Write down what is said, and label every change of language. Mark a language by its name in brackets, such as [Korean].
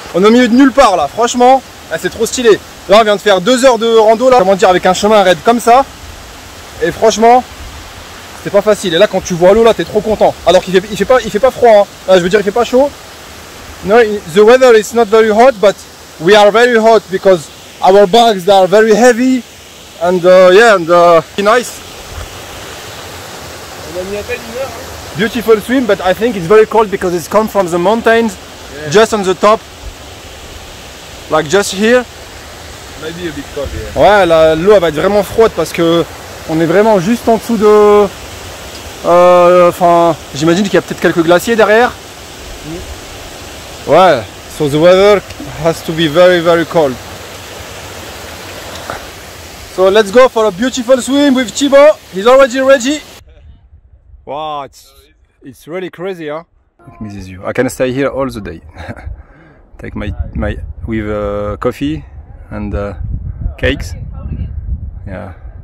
[French] On est au milieu de nulle part là, franchement, là, c'est trop stylé. Là on vient de faire 2 heures de rando là, comment dire, avec un chemin raide comme ça. Et franchement, c'est pas facile. Et là quand tu vois l'eau là, t'es trop content. Alors qu'il fait, il fait pas froid, hein. Là, je veux dire il fait pas chaud. [English] No, the weather is not very hot, but we are very hot because our bags are very heavy. And yeah, and be nice. [French] On a mis à peine une heure, hein. [English] Beautiful swim, but I think it's very cold because it's come from the mountains, yeah. Just on the top, like just here. Maybe a bit cold, yeah. [French] Ouais, la, l'eau va être vraiment froide parce que on est vraiment juste en dessous de. Enfin, j'imagine qu'il y a peut-être quelques glaciers derrière. Mm. [English] Ouais, so the weather has to be very, very cold. So let's go for a beautiful swim with Thibaut. He's already ready. Wow, it's really crazy, huh? It misses you. I can stay here all the day. Take my with coffee and cakes. Yeah.